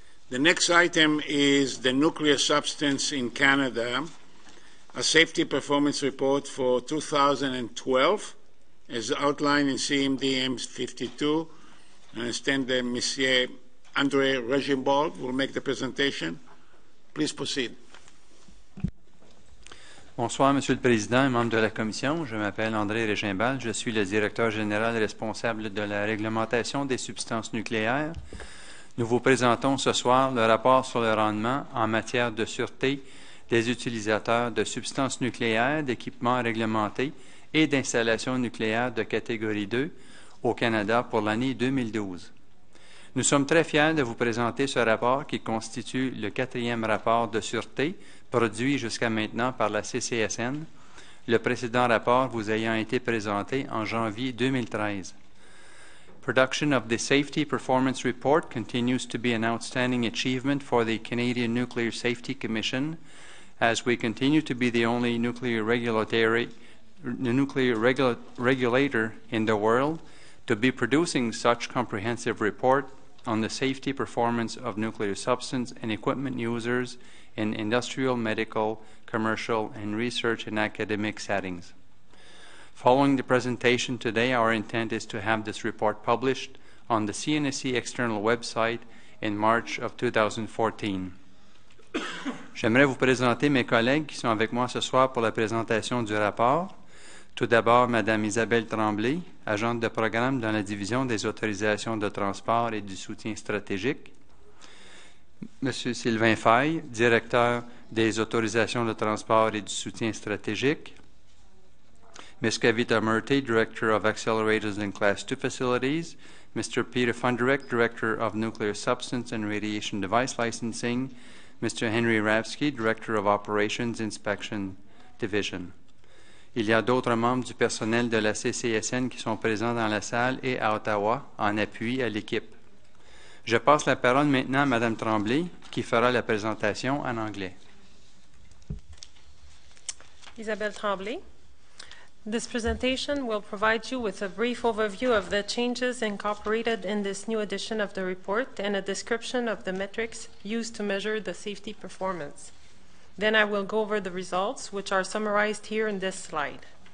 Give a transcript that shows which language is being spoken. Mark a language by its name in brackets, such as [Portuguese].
[English] The next item is the nuclear substance in Canada, a safety performance report for 2012, as outlined in CMD M52. I understand that Monsieur André Regimbald will make the presentation. Please proceed. [French] Bonsoir, Monsieur le Président et membres de la Commission. Je m'appelle André Regimbald. Je suis le directeur général responsable de la réglementation des substances nucléaires. Nous vous présentons ce soir le rapport sur le rendement en matière de sûreté des utilisateurs de substances nucléaires, d'équipements réglementés et d'installations nucléaires de catégorie 2 au Canada pour l'année 2012. Nous sommes très fiers de vous présenter ce rapport qui constitue le quatrième rapport de sûreté produit jusqu'à maintenant par la CCSN, le précédent rapport vous ayant été présenté en janvier 2013. [English] Production of the Safety Performance Report continues to be an outstanding achievement for the Canadian Nuclear Safety Commission, as we continue to be the only nuclear regulator in the world to be producing such comprehensive report on the safety performance of nuclear substance and equipment users in industrial, medical, commercial, and research and academic settings. Following the presentation today, our intent is to have this report published on the CNSC external website in March of 2014. [French] J'aimerais vous présenter mes collègues qui sont avec moi ce soir pour la présentation du rapport. Tout d'abord, Mme Isabelle Tremblay, agente de programme dans la division des autorisations de transport et du soutien stratégique. M. Sylvain Faye, directeur des autorisations de transport et du soutien stratégique. [English] Ms. Kavita Murthy, Director of Accelerators and Class 2 Facilities, Mr. Peter Funderick, Director of Nuclear Substance and Radiation Device Licensing, Mr. Henry Ravsky, Director of Operations Inspection Division. [French] Il y a d'autres membres du personnel de la CCSN qui sont présents dans la salle et à Ottawa en appui à l'équipe. Je passe la parole maintenant à Mme Tremblay, qui fera la présentation en anglais. Isabelle Tremblay. [English] This presentation will provide you with a brief overview of the changes incorporated in this new edition of the report and a description of the metrics used to measure the safety performance. Then I will go over the results, which are summarized here in this slide.